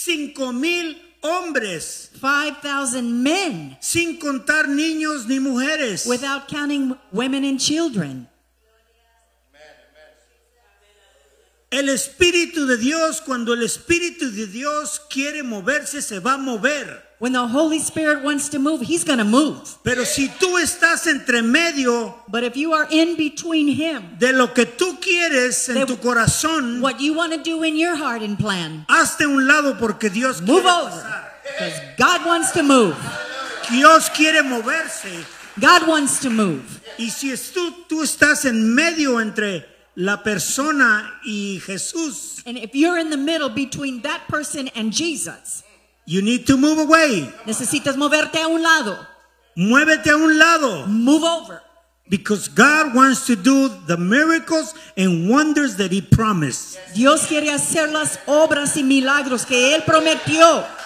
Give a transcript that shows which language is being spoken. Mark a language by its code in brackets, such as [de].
[es] 5,000 hombres. [en] 5,000 men. [es] Sin contar niños ni mujeres. [en] Without counting women and children. [es] El Espíritu de Dios, cuando el Espíritu de Dios quiere moverse, se va a mover. [en] When the Holy Spirit wants to move, he's going to move. [es] Pero si tú estás entre medio, [en] but if you are in between him, [es] de lo que tú quieres en tu corazón, [en] what you want to do in your heart and plan, [es] hazte un lado porque Dios [en] move [es] quiere [en] over, because God wants to move. [es] Dios quiere moverse. [en] God wants to move. [es] Y si tú estás en medio entre la persona y Jesús, [en] and if you're in the middle between that person and Jesus, you need to move away. [es] Necesitas moverte a un lado. Muévete a un lado. [en] Move over. Because God wants to do the miracles and wonders that he promised. [es] Dios quiere hacer las obras y milagros que él prometió.